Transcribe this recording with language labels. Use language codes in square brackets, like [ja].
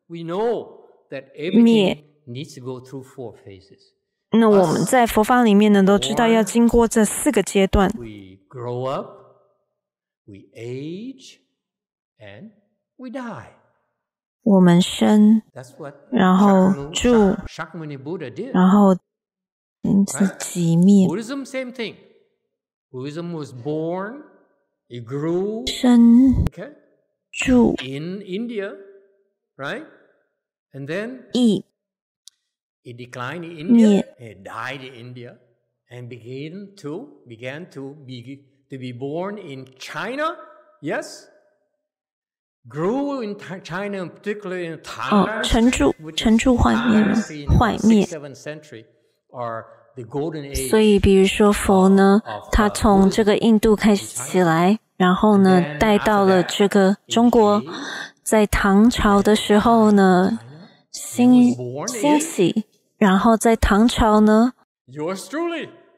[en] We know that everything needs to go through four phases. [zh] 那我们在佛法里面呢，都知道要经过这四个阶段。 [en] We grow up, we age, and we die. [zh] 我们生，然后住，然后是寂灭。 [en] Buddhism same thing. Buddhism was born, it grew, [zh] 生， [en] okay? [zh] 住 [en] in India, right? And then [zh] 意。 [en] It declined in India, it died in India, and began to be born in China, yes? Grew in China, particularly in Tang Dynasty, which is the 6th-7th century, or the Golden Age. [zh] 所以比如说佛呢，他从这个印度开始起来，然后呢带到了这个中国，在唐朝的时候呢，兴起。然后在唐朝呢 [en] Yours truly,